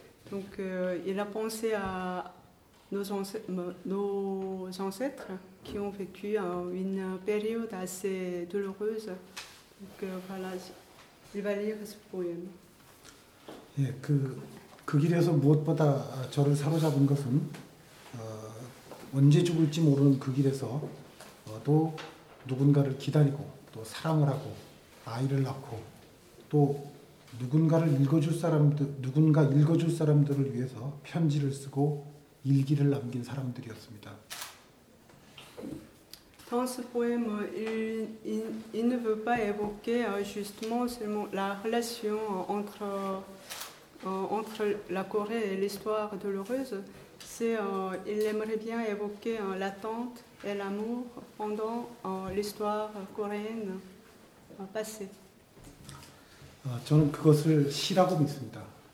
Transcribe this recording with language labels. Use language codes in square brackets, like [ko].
[fr] Donc il a pensé à nos ancêtres qui ont vécu une période assez douloureuse. Donc voilà, il va lire ce poème. [ko] 예, 그 길에서 무엇보다 저를 사로잡은 것은 언제 죽을지 모르는 그 길에서 또 누군가를 기다리고 또 사랑을 하고 아이를 낳고 또 누군가를 읽어줄 사람들 누군가 읽어줄 사람들을 위해서 편지를 쓰고 일기를 남긴 사람들이었습니다. [fr] Dans ce poème, il ne veut pas évoquer justement seulement la relation entre la Corée et l'histoire douloureuse. C'est il aimerait bien évoquer l'attente et l'amour pendant l'histoire coréenne passée. [ko] 저는 그것을 시라고 믿습니다.